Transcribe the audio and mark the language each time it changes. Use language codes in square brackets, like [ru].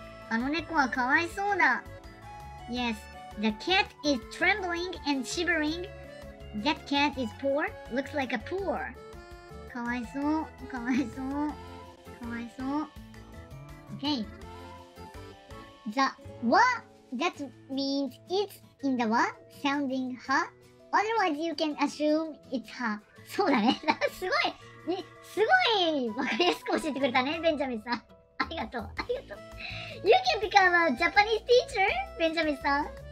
[ja] あの猫はかわいそうだ。 [en] Yes, the cat is trembling and shivering. That cat is poor. Looks like a poor. [ja] かわいそう、かわいそう、かわいそう。 [en] Okay. The wa that means it's in the wa sounding ha. Otherwise, you can assume it's ha. [ja] そうだね。すごい、ね、すごいわかりやすく教えてくれたね、ベンジャミンさん。ありがとう、ありがとう。 [en] You can become a Japanese teacher, Benjamin さん。